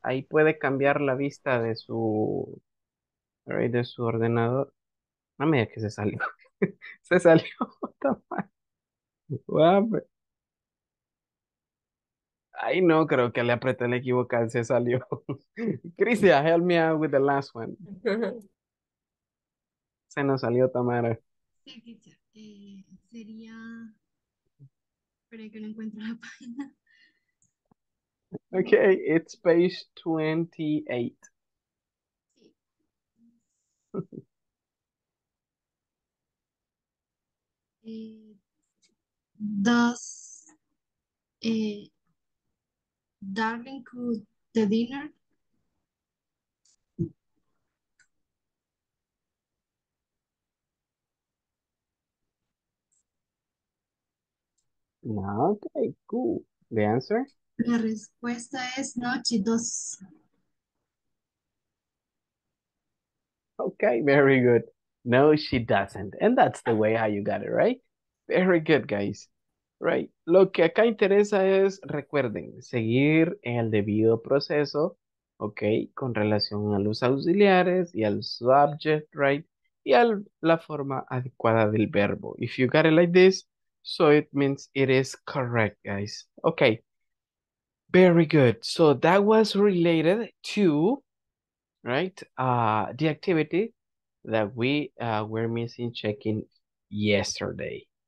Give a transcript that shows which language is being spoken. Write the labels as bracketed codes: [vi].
[es] Ahí puede cambiar la vista de su ordenador. No me diga que se salió. Se salió. Ay, no, creo que le apreté la equivocada, se salió. [en] Cristian, help me out with the last one. [es] Se nos salió Tamara. Sí, sería... Espera que no encuentro la página. [en] Ok, it's page 28. Sí. Does Darling cook the dinner? No, okay, cool. The answer? [es] La respuesta es no, [en] she does. Okay, very good. No, she doesn't. And that's the way how you got it, right? Very good, guys. Right. [es] Lo que acá interesa es, recuerden, seguir el debido proceso, ok, con relación a los auxiliares y al subject, right, y a la forma adecuada del verbo. [en] If you got it like this, so it means it is correct, guys. Ok. Very good. So that was related to, right, the activity that we were missing checking yesterday.